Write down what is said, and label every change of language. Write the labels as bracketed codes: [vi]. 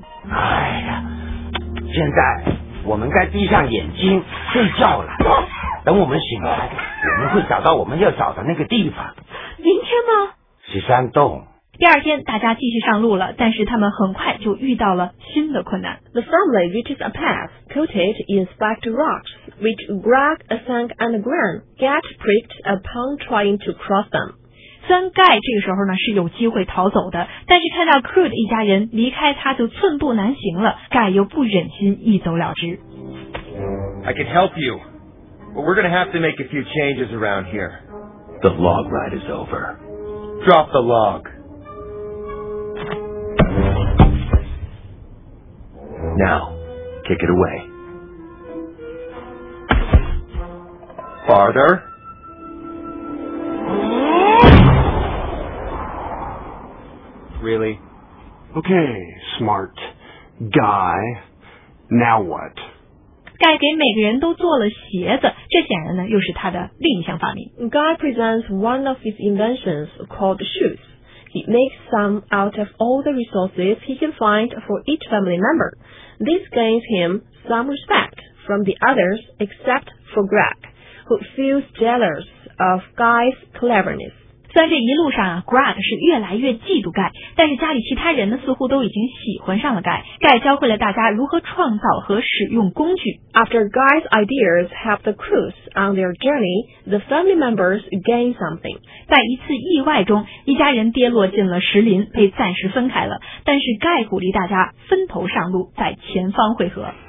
[zh] 哎呀，现在我们该闭上眼睛睡觉了。等我们醒来，我们会找到我们要找的那个地方。明天吗？是山洞。第二天，大家继续上路了，但是他们很快就遇到了新的困难。 [en] The family reaches a path coated in spiked rocks, which Greg, Sang, and Gran get pricked upon trying to cross them. [zh] 虽然盖这个时候呢是有机会逃走的，但是看到 Crude 一家人离开他就寸步难行了，盖又不忍心一走了之。 [en] I can help you, but we're going to have to make a few changes around here. The log ride is over. Drop the log. Now, kick it away. Farther. Really? Okay, smart guy. Now what? [zh] Guy 给每个人都做了鞋子，这显然呢又是他的另一项发明。 [en] Guy presents one of his inventions called shoes. He makes some out of all the resources he can find for each family member. This gains him some respect from the others except for Greg, who feels jealous of Guy's cleverness. [zh] 虽然这一路上啊 Greg 是越来越嫉妒盖，但是家里其他人呢似乎都已经喜欢上了盖。盖教会了大家如何创造和使用工具。 [en] After Guy's ideas help the crews on their journey, the family members gain something. [zh] 在一次意外中，一家人跌落进了石林，被暂时分开了。但是盖鼓励大家分头上路，在前方汇合。